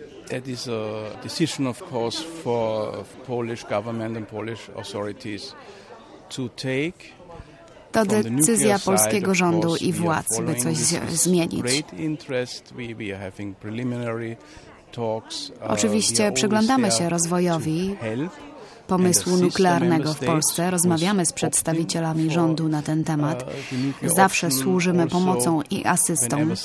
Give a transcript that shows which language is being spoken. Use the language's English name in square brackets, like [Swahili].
[English] That is a decision, of course, for Polish government and Polish authorities to take. [Polish] To decyzja polskiego rządu i władz, by coś zmienić. [English] Great interest. We are having preliminary talks. [Polish] Oczywiście przyglądamy się rozwojowi pomysłu nuklearnego w Polsce. Rozmawiamy z przedstawicielami rządu na ten temat. Zawsze służymy pomocą i asystą.